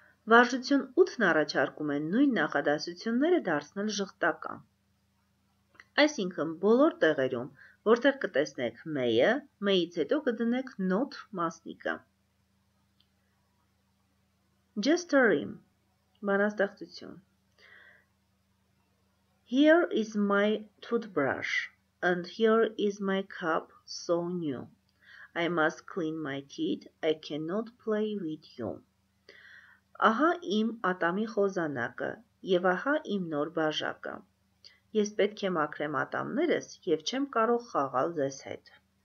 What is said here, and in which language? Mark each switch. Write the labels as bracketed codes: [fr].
[hy] Վարժություն 8-ն առաջարկում է նույն նախադասությունները դարձնել ժխտական։ Այսինքն, բոլոր տեղերում, որտեղ կտեսնեք may-ը, may-ից հետո կդնեք not մասնիկը։ [en] Just a rhyme, [hy] բանաստեղծություն։ [en] Here is my toothbrush, and here is my cup, so new. I must clean my teeth, I cannot play with you. [hy] Ահա իմ ատամի խոզանակը և ահա իմ նոր բաժակը։ Ես պետք է մաքրեմ ատամներս և չեմ կարող խաղալ ձեզ հետ։